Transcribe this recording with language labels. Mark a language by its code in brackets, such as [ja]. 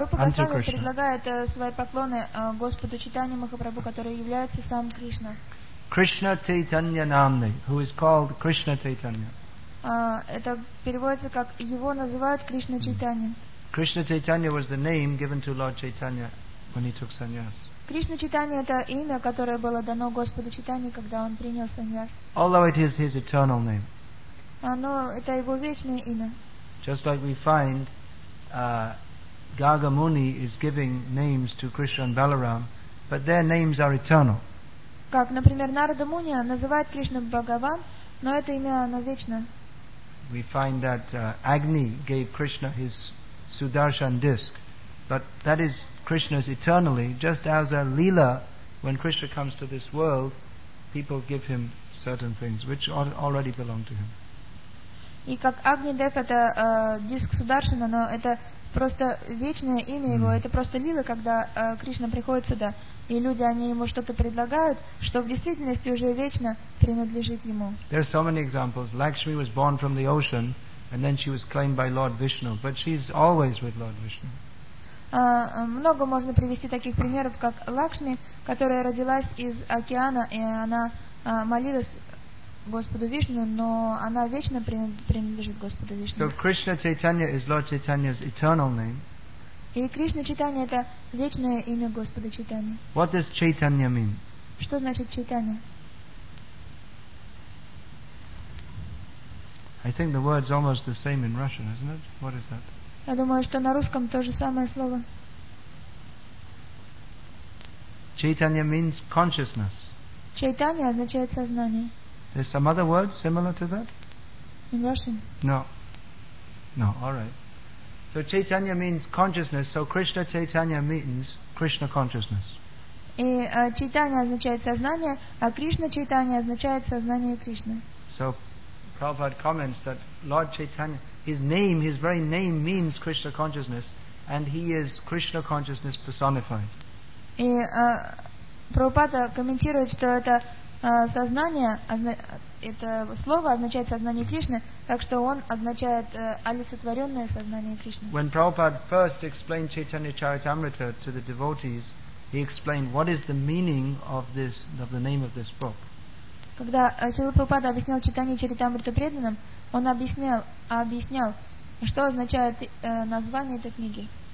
[ru] Rupa Goswami предлагает свои поклоны Господу Чайтанье Махапрабху, который является сам Кришна. [en] Krishna Chaitanya Namne, who is called Krishna Chaitanya. [ru] Это переводится как его называют Кришна Чайтанья. [en] Krishna Chaitanya was the name given to Lord Chaitanya when he took sannyas. [ru] Кришна Читания — это имя, которое было дано Господу Читания, когда Он принял саньяс. [en] Although it is His eternal name. [ru] Оно — это Его вечное имя. [en] Just like we find Gaga Muni is giving names to Krishna and Balaram, but their names are eternal. [ru] Как, например, Нарада Муни называет Кришну Бхагаван, но это имя, оно вечно. [en] We find that Agni gave Krishna his Sudarshan disc, but that is Krishna's eternally, just as a Leela, when Krishna comes to this world, people give him certain things which already belong to him. [ru] И как Агни Дев — это диск Сударшина, но это просто вечное имя его, это просто Лила, когда Кришна приходит сюда, и люди, они ему что-то предлагают, что в действительности уже вечно принадлежит ему. [en] There are so many examples. Lakshmi was born from the ocean, and then she was claimed by Lord Vishnu, but she's always with Lord Vishnu. [ru] Много можно привести таких примеров, как Лакшми, которая родилась из океана, и она молилась Господу Вишну, но она вечно принадлежит Господу Вишну. [en] So Krishna Chaitanya is Lord Chaitanya's eternal name. [ru] И Кришна Чайтанья — это вечное имя Господа Чайтаньи. [en] What does Chaitanya mean? [ru] Что значит Чайтанья? [en] I think the word's almost the same in Russian, isn't it? What is that? [ru] Я думаю, что на русском то же самое слово. [en] Chaitanya means consciousness. [ru] Chaitanya означает сознание. [en] There's some other word similar to that? In Russian? No. No, all right. So Chaitanya means consciousness, so Krishna Chaitanya means Krishna consciousness. [ru] И Chaitanya означает сознание, а Krishna Chaitanya означает сознание Кришны. [en] So Prabhupada comments that Lord Chaitanya, His name, His very name means Krishna consciousness, and He is Krishna consciousness personified. [ru] И Прабхупада комментирует, что это сознание, это слово означает сознание Кришны, так что он означает олицетворенное сознание Кришны. [en] When Prabhupada first explained Chaitanya Charitamrita to the devotees, he explained what is the meaning of this, of the name of this book. [ru] Когда Шрила Прабхупада объяснял Чайтанья Чаритамриту преданным, он объяснял, что означает название этой книги.